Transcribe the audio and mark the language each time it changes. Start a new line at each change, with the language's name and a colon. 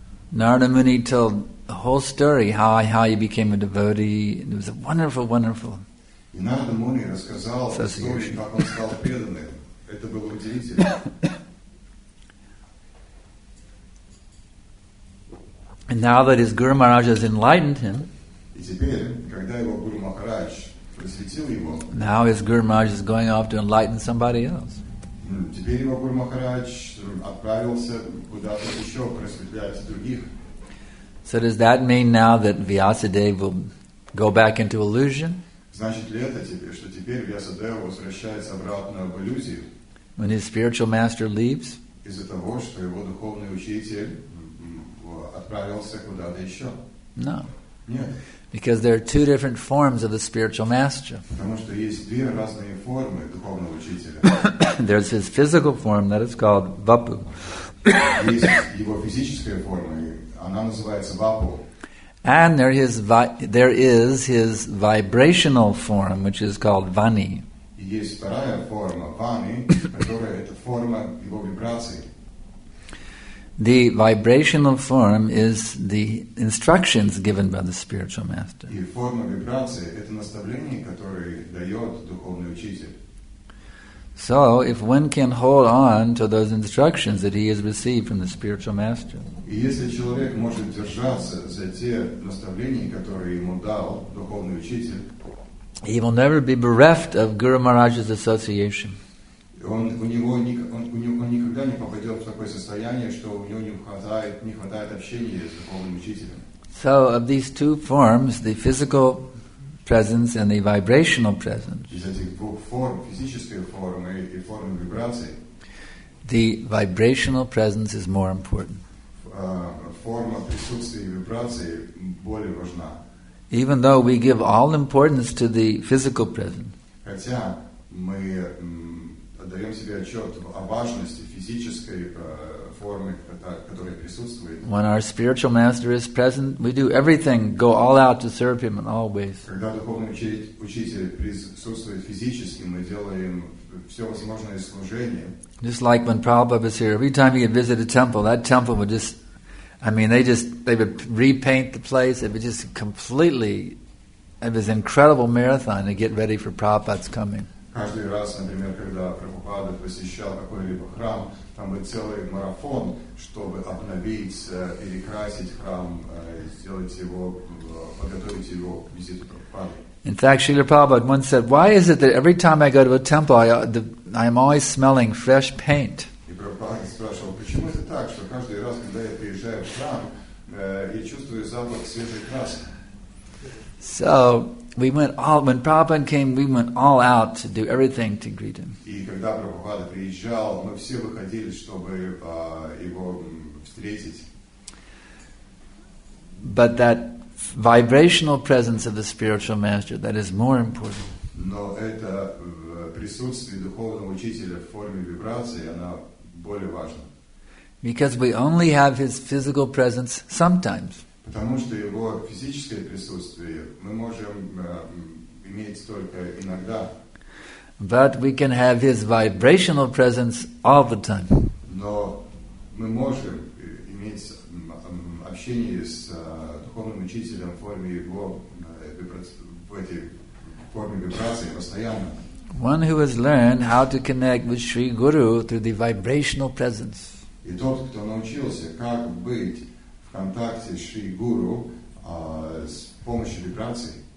English: Narada Muni told the whole story how he became a devotee. It was a wonderful, wonderful.
Russian: И Нарада Муни рассказал историю, как он стал преданным. Это было удивительно.
English: And now that his Guru Maharaj has enlightened him,
Russian: и теперь, когда его Guru Maharaj просветил его,
English: now his Guru Maharaj is going off to enlighten somebody else.
Russian: Теперь его Guru Maharaj отправился куда-то еще просветлять других.
English: So does that mean now that Vyasadeva will go back into illusion?
Russian: Значит ли это теперь, что теперь Vyasadeva возвращается обратно в иллюзию?
English: When his spiritual master leaves?
Russian: Из-за того, что его духовный учитель отправился куда-то еще?
English: No.
Russian: Нет.
English: Because there are two different forms of the spiritual master.
Russian: Потому что есть две разные формы духовного учителя.
English: There's his physical form that is called Vapu.
Russian: Есть его физическая форма, она называется Vapu.
English: And there is his vibrational form, which is called Vani.
Russian: Есть вторая форма Vani, которая это форма его вибрации.
English: The vibrational form is the instructions given by the spiritual master.
Russian: И форма вибрации – это наставление, которое дает духовный учитель.
English: So, if one can hold on to those instructions that he has received from the spiritual master,
Russian: и если человек может держаться за те наставления, которые ему дал духовный учитель,
English: he will never be bereft of Guru Maharaj's association.
Russian: Он никогда не попадет в такое состояние, что у него не хватает общения с духовным учителем.
English: So of these two forms, the physical presence and the vibrational presence.
Russian: Из этих двух форм, физической формы и формы вибрации,
English: the vibrational presence is more important.
Russian: Форма присутствия и вибрации более важна.
English: Even though we give all importance to the physical presence.
Russian: Хотя мы отдаем себе отчет о важности физической формы, которая присутствует.
English: When our spiritual master is present, we do everything, go all out to serve him in all ways.
Russian: Когда духовный учитель присутствует физически, мы делаем все возможное служение.
English: Just like when Prabhupada is here, every time he would visit a temple, that temple would just, I mean, they would repaint the place. It would just completely, it was an incredible marathon to get ready for Prabhupada's coming.
Russian: Каждый раз, например, когда Прабхупада посещал какой-либо храм, там был целый марафон, чтобы обновить, перекрасить храм, сделать его, подготовить его к визиту Прабхупады.
English: In fact, Srila Prabhupada once said, why is it that every time I go to a temple, I am always smelling fresh paint?
Russian: И Прабхупада спрашивал, почему это так, что каждый раз, когда я приезжаю в храм, я чувствую запах свежей краски?
English: So, we went all, when Prabhupada came, we went all out to do everything to greet him.
Russian: И когда Прабхупада приезжал, мы все выходили, чтобы его встретить.
English: But that vibrational presence of the spiritual master, that is more important.
Russian: Но это присутствие духовного учителя в форме вибрации, она более важна.
English: Because we only have his physical presence sometimes.
Russian: Потому что его физическое присутствие мы можем иметь только иногда.
English: But we can have his vibrational presence all the time.
Russian: Но мы можем иметь общение с духовным учителем в форме его в этой форме вибрации постоянно.
English: One who has learned how to connect with Sri Guru through the vibrational presence.
Russian: И тот, кто научился, как быть в контакте с Шри Гуру с помощью вибрации,